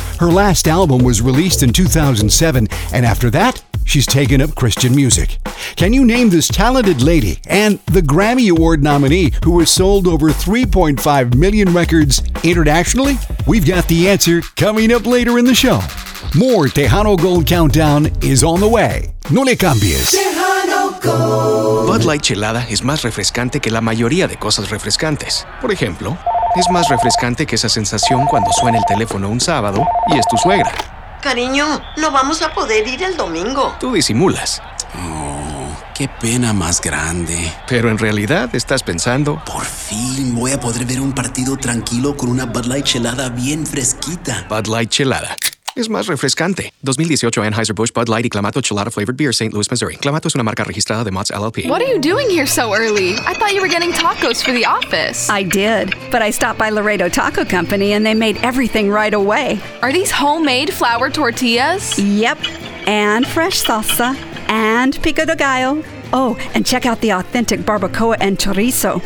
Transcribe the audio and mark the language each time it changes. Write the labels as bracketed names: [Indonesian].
[English] Her last album was released in 2007, and after that, she's taken up Christian music. Can you name this talented lady and the Grammy Award nominee who has sold over 3.5 million records internationally? We've got the answer coming up later in the show. More Tejano Gold Countdown is on the way. [Spanish] No le cambies. Tejano [English] Gold. [Spanish] Bud Light Chelada es más refrescante que la mayoría de cosas refrescantes. Por ejemplo, es más refrescante que esa sensación cuando suena el teléfono un sábado y es tu suegra. Cariño, no vamos a poder ir el domingo. Tú disimulas. Oh, qué pena más grande. Pero en realidad estás pensando... Por fin voy a poder ver un partido tranquilo con una Bud Light Chelada bien fresquita. Bud Light Chelada. Es más refrescante. 2018 Anheuser-Busch Bud Light y Clamato Chelada Flavored Beer, St. Louis, Missouri. Clamato es una marca registrada de Mott's LLP. [English] What are you doing here so early? I thought you were getting tacos for the office. I did, but I stopped by Laredo Taco Company and they made everything right away. Are these homemade flour tortillas? Yep, and fresh salsa, and pico de gallo. Oh, and check out the authentic barbacoa and chorizo.